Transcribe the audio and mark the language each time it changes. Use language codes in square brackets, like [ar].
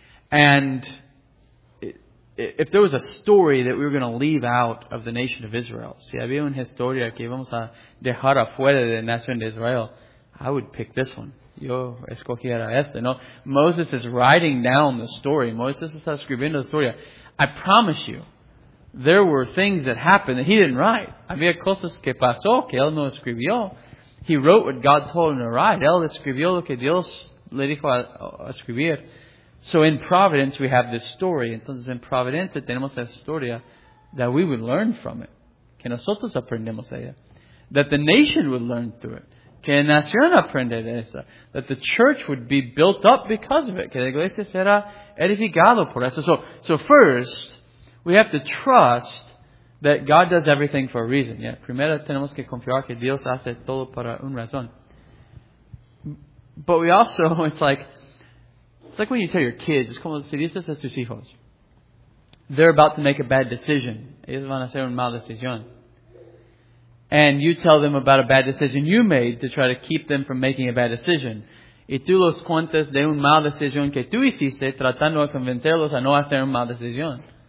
[en] And if there was a story that we were going to leave out of the nation of Israel, [es] si había una historia que íbamos a dejar afuera de la nación de Israel, [en] I would pick this one. [es] Yo escogiera este. No? [en] Moses is writing down the story. [es] Moses está escribiendo la historia. [en] I promise you, there were things that happened that he didn't write. [es] Había cosas que pasó que él no escribió. [en] He wrote what God told him to write. [es] Él escribió lo que Dios le dijo a escribir. [en] So in Providence, we have this story. [es] Entonces, en Providencia tenemos esa historia [en] that we would learn from it. [es] Que nosotros aprendemos de ella. [en] That the nation would learn through it. [es] Que la nación aprende de esa. [en] That the church would be built up because of it. [es] Que la iglesia será edificada por eso. [en] So first, we have to trust that God does everything for a reason. Yeah. [es] Primero tenemos que confiar que Dios hace todo para una razón. [en] But we also, it's like when you tell your kids, [es] es como si dices a tus hijos, [en] they're about to make a bad decision. [es] Ellos van a hacer una mala decisión. [en] And you tell them about a bad decision you made to try to keep them from making a bad decision. [es] Y tú los cuentas de una mala decisión que tú hiciste tratando de convencerlos a no hacer una mala decisión.